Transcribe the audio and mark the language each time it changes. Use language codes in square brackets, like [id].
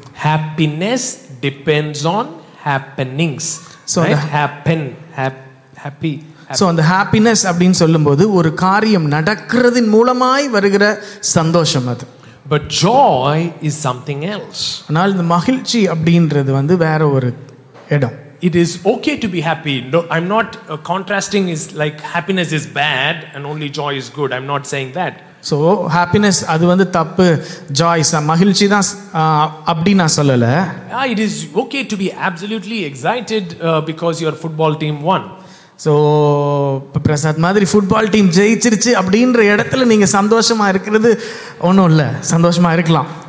[en] Happiness depends on happenings. So right? Happen, happy. [ta] So அந்த happiness அப்படின்னு சொல்லும்போது ஒரு காரியம் நடக்கிறதின் மூலமாய் வருகிற சந்தோஷம் அது. [en] But joy is something else. [ta] ஆனால் இந்த மகிழ்ச்சி அப்படின்றது வந்து வேற ஒரு இடம். [en] It is okay to be happy. No, I'm not contrasting is like happiness is bad and only joy is good. I'm not saying that. So happiness [ta] அது வந்து தப்பு, joy மகிழ்ச்சி தான் அப்படி நான் சொல்லல. [en] It is okay to be absolutely excited because your football team won. [ta] So Prasad மாதிரி football team ஜெயிச்சிருச்சு அப்படிங்கற இடத்துல நீங்க சந்தோஷமா இருக்குறது ஒண்ணும் இல்ல, சந்தோஷமா இருக்கலாம்.